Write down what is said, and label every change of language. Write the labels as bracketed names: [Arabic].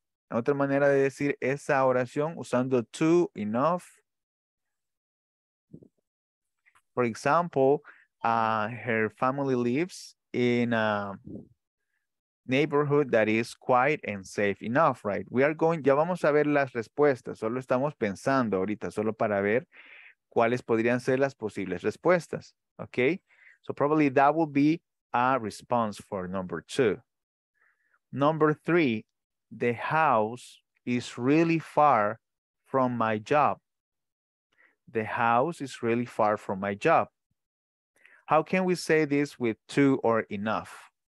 [Spanish] Otra manera de decir esa oración usando to, enough. [English] For example, her family lives in a neighborhood that is quiet and safe enough, right? We are going, [Spanish] ya vamos a ver las respuestas, solo estamos pensando ahorita, solo para ver cuáles podrían ser las posibles respuestas, okay? [English] So probably that will be a response for number two. Number three, the house is really far from my job. The house is really far from my job. How can we say this with to or enough?